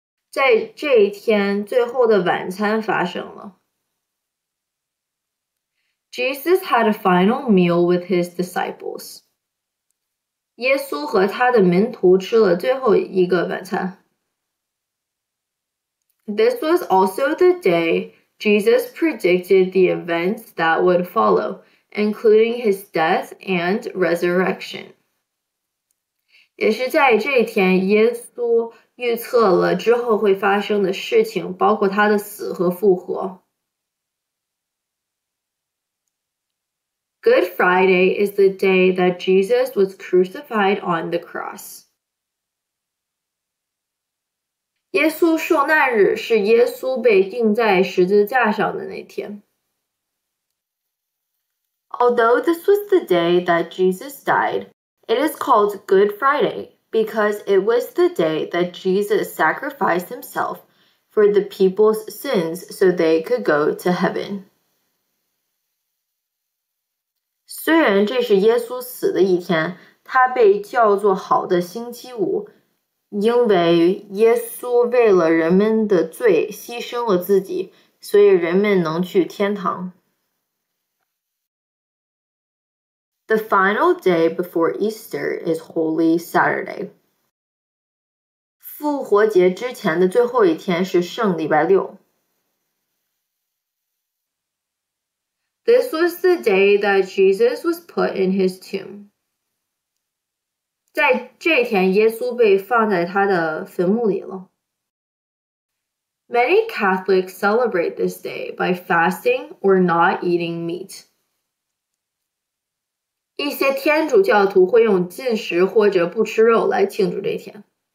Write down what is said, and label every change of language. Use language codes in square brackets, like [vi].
[zh] 在这一天，最后的晚餐发生了。 [en] Jesus had a final meal with his disciples. [zh] 耶稣和他的门徒吃了最后一个晚餐。 [en] This was also the day Jesus predicted the events that would follow, including his death and resurrection. [zh] 也是在这一天，耶稣预测了之后会发生的事情，包括他的死和复活。 [en] Good Friday is the day that Jesus was crucified on the cross. [zh] 耶稣受难日是耶稣被钉在十字架上的那天。 [en] Although this was the day that Jesus died, it is called Good Friday. Because it was the day that Jesus sacrificed himself for the people's sins so they could go to heaven. [zh] 虽然这是耶稣死的一天，他被叫做好的星期五，因为耶稣为了人们的罪牺牲了自己，所以人们能去天堂。 [en] The final day before Easter is Holy Saturday. [zh] 复活节之前的最后一天是圣礼拜六。 [en] This was the day that Jesus was put in his tomb. [zh] 在这天，耶稣被放在他的坟墓里了。 [en] Many Catholics celebrate this day by fasting or not eating meat. [zh] 一些天主教徒会用禁食或者不吃肉来庆祝这天。